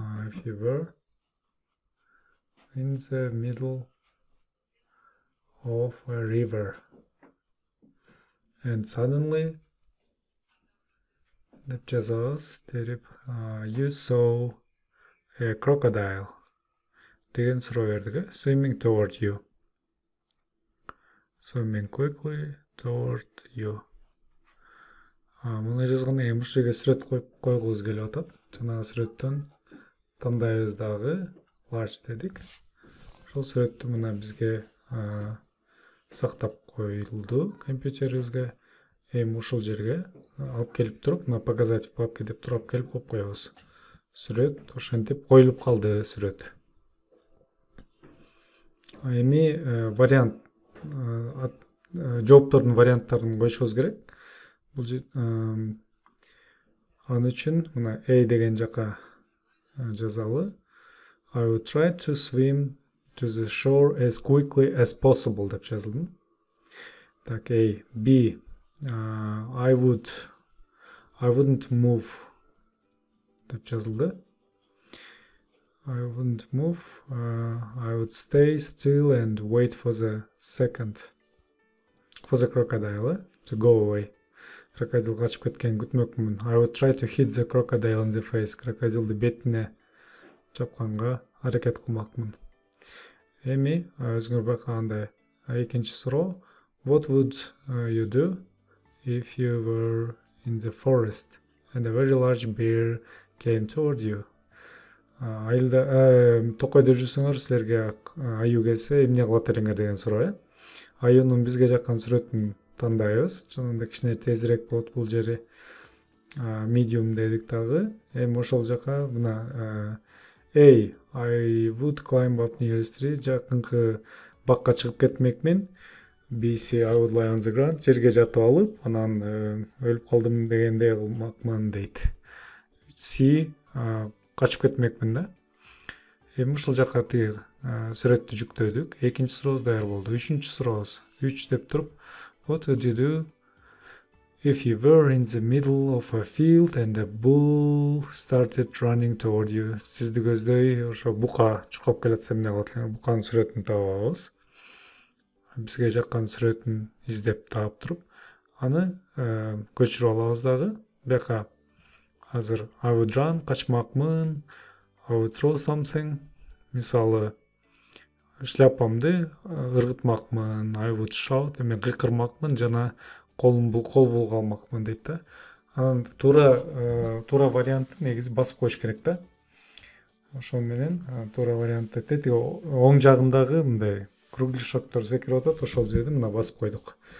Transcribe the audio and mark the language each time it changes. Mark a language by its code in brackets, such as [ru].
[en] If you were in the middle of a river and suddenly [ky] деп жазабыз, терип, [en] you saw a crocodile [ky] деген суроо бердик, [en] swimming toward you. Swimming quickly toward you. [ky] Муну жазганда эми ушул жерге сүрөт койгубуз келип атат. Жанагы сүрөттөн тандайбыз дагы large дедик. Ошол сүрөттү мына бизге сактап коюлду компьютерибизге. Эми ушул жерге алып келип туруп, мына [ru] показать в папке [ky] деп туруп келип коюп коебуз. Сүрөт ошентип коюлуп калды сүрөт. Эми вариант жооптордун варианттарын коюшубуз керек. Бул аны үчүн мына A деген жака жазалы. [en] I would try to swim to the shore as quickly as possible [ky] деп жазылды. Так, A. B. [en] I wouldn't move [ky] деп жазылды. [en] I wouldn't move. I would stay still and wait for the second. For the crocodile to go away. [ky] Крокодил качып кеткен күтмөкмүн. [en] I would try to hit the crocodile in the face. [ky] Крокодилди бетине чапканга аракет кылмакмын. Эми өзүңөргө кандай экинчи суроо. [en] What would you do if you were in the forest and a very large bear came toward you? [ky] Айылда токойдо жүрсөңөр силерге аюу келсе эмне кылат элеңер деген суроо э. Аюунун бизге жаккан сүрөтүн тандайбыз. Чынында кичине тезирээк болот бул жери. Medium дедик дагы. Эми ошол жака мына A. [en] I would climb up nearest tree. [ky] Жакынкы бакка чыгып кетмекмин. B. [en] C. I would lie on the ground. [ky] Жерге жатып алып, анан өлүп калдым дегендей кылмакмын дейт. C. Качып кетмекмин да. Эми ушул жакка тиги сүрөттү жүктөдүк. Экинчи сурообуз даяр болду. Үчүнчү сурообуз. Үч деп туруп. [en] What would you do if you were in the middle of a field and a bull started running toward you? [ky] Сизди көздөй ошо бука чукап келатса эмне кылат элеңер? Буканын сүрөтүн табабыз. Бизге жаккан сүрөтүн издеп таап туруп, аны көчүрүп алабыз дагы. Бияка азыр [en] I would run, [ky] качмакмын, [en] I would throw something. [ky] Мисалы, шляпамды ыргытмакмын, [en] I would shout, [ky] мен кыйкырмакмын жана кол булгалмакмын дейт да. Анан туура варианты негизи басып коюш керек да. Ошон менен туура вариант дейт. Оң жагындагы мындай кругляшоктор секирип атат, ошол жерди мына басып койдук.